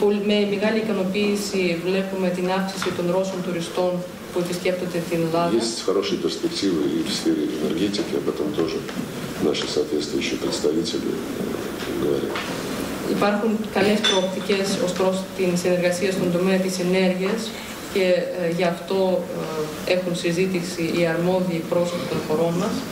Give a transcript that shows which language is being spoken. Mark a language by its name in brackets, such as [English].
[Greek] Με μεγάλη ικανοποίηση βλέπουμε την αύξηση των Ρώσων τουριστών που επισκέπτονται την Ελλάδα. [Russian] Есть хорошие перспективы и в сфере энергетики, об этом тоже наши соответствующие представители говорят. [Greek] Υπάρχουν καλές προοπτικές ως προς την συνεργασία στον τομέα της ενέργειας και γι' αυτό έχουν συζήτηση οι αρμόδιοι πρόσωποι των χωρών μας.